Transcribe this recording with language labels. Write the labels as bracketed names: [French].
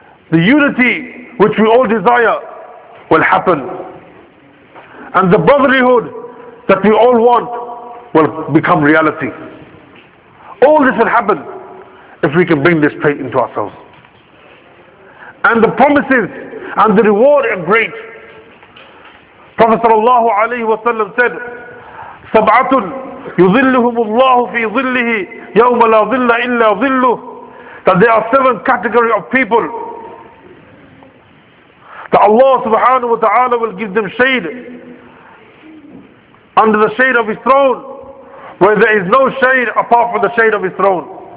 [English] The unity which we all desire will happen. And the brotherhood that we all want will become reality. All this will happen if we can bring this trait into ourselves. And the promises and the reward are great. Prophet sallallahu alayhi wa sallam said, [Arabic] سَبْعَةٌ يُظِلُّهُمُ اللَّهُ فِي ظِلِّهِ يَوْمَ لَا ظِلَّ إِلَّا ظِلُّهُ. [English] That there are 7 categories of people that Allah subhanahu wa ta'ala will give them shade under the shade of His throne, where there is no shade apart from the shade of His throne.